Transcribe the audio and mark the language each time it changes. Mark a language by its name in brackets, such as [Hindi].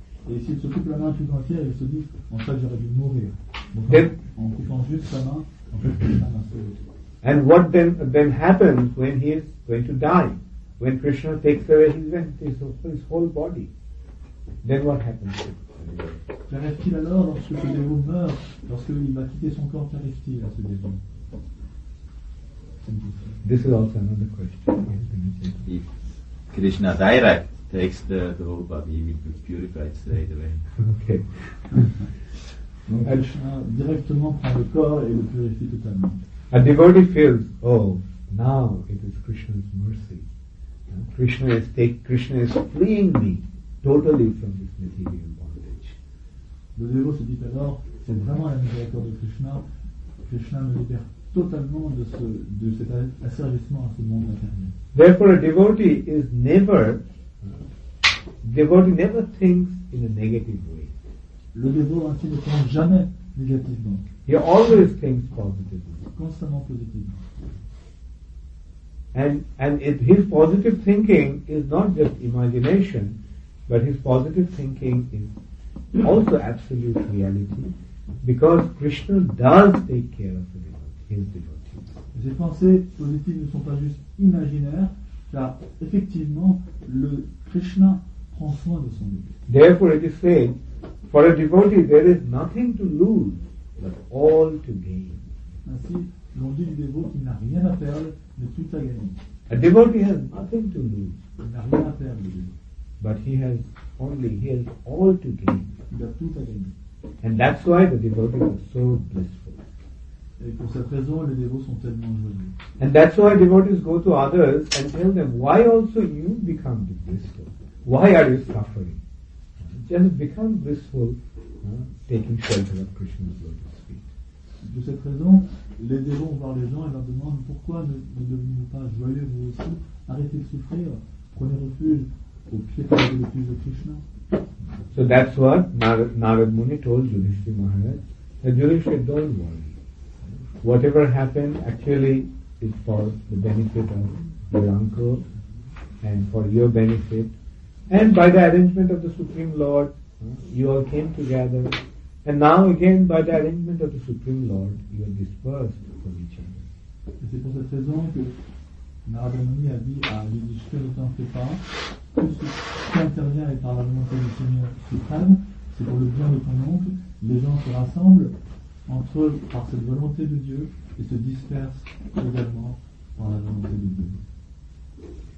[French] Et s'il se coupe la main tout entière, il se dit, en fait, j'aurais dû mourir. Donc, en coupant juste sa main, en fait, Krishna m'a sauvé. [English] And what then happens when he is going to die? When Krishna takes away his whole body? Then what happens? [French] Qu'arrive-t-il alors lorsque ce dévot meurt, lorsque il va quitter son corps? Qu'arrive-t-il à ce dévot? [English] This is also another question. If Krishna direct takes the whole body, he will be purified straight away. Okay. [French] Donc Krishna directement prend le corps et le purifie totalement. [English] A devotee feels, oh, now it is Krishna's mercy. Krishna is freeing me totally from this material bondage. [French] Le dévot se dit alors, c'est vraiment la miséricorde de Krishna. Krishna me libère totalement de cet asservissement à ce monde matériel. [English] Therefore, a devotee is never. Devotee never thinks in a negative way. [French] Le dévot ainsi ne pense jamais négativement. [English] He always thinks positively. [French] Constamment positivement. [English] And his positive thinking is not just imagination. But his positive thinking is also absolute reality, because Krishna does take care of his devotees. [French] Ses pensées positives ne sont pas juste imaginaires, Car effectivement, le Krishna prend soin de son milieu. [English] Therefore, it is said, for a devotee, there is nothing to lose, but all to gain. [French] Ainsi, l'on dit du dévot qu'il n'a rien à perdre, mais tout à gagner. [English] A devotee has nothing to lose. [French] Il n'a rien à perdre. [English] But he has all to gain. [French] Il a tout à gagner. [English] And that's why the devotees are so blissful. [French] Et pour cette raison, les dévots sont tellement joyeux. [English] And that's why devotees go to others and tell them, why also you become blissful? Why are you suffering? Just become blissful, taking shelter of Krishna's lotus feet. [French] De cette raison, les dévots vont voir les gens et leur demandent, pourquoi ne devenez-vous pas joyeux vous aussi? Arrêtez de souffrir, prenez refuge aux pieds de lotus de Krishna. [English] So that's what Narad Muni told Yudhishthira Maharaj. Now Yudhishthira, don't worry. Whatever happened actually is for the benefit of your uncle and for your benefit. And by the arrangement of the Supreme Lord, you all came together. And now again, by the arrangement of the Supreme Lord, you are dispersed from each other. [French] Et c'est pour cette raison que Narad Muni a dit à Yudhishthira, ne t'en fais pas. Tout ce qui intervient est par la volonté du Seigneur suprême, c'est pour le bien de ton oncle. Les gens se rassemblent entre eux par cette volonté de Dieu et se dispersent également par la volonté de Dieu.